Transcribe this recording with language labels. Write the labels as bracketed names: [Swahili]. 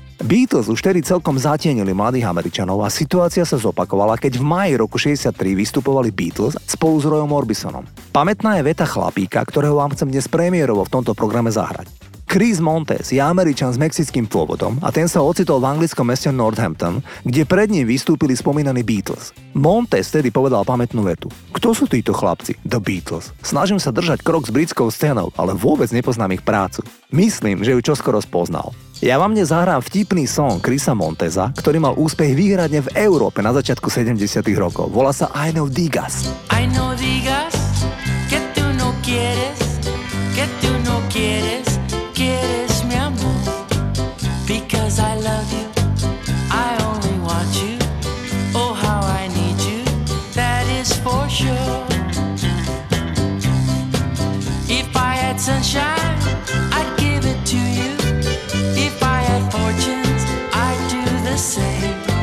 [Slovak] Beatles už tedy celkom zatienili mladých Američanov a situácia sa zopakovala, keď v máji roku 63 vystupovali Beatles spolu s Royom Orbisonom. Pamätná je veta chlapíka, ktorého vám chcem dnes premiérovo v tomto programe zahrať. Chris Montez je Američan s mexickým pôvodom a ten sa ocitol v anglickom meste Northampton, kde pred ním vystúpili spomínaní Beatles. Montez tedy povedal pamätnú vetu. Kto sú títo chlapci? The Beatles. Snažím sa držať krok s britskou scénou, ale vôbec nepoznám ich prácu. Myslím, že ju čoskoro spoznal. Ja vám dnes zahrám vtipný song Chrisa Monteza, ktorý mal úspech výhradne v Európe na začiatku 70-tych rokov. Volá sa I Know Digas. [English] I know [Spanish] digas, que tú no quieres, que tú no quieres. Quieres mi amor, [English] because I love you, I only want you, oh how I need you, that is for sure. If I had sunshine, I'd give it to you, if I had fortunes, I'd do the same.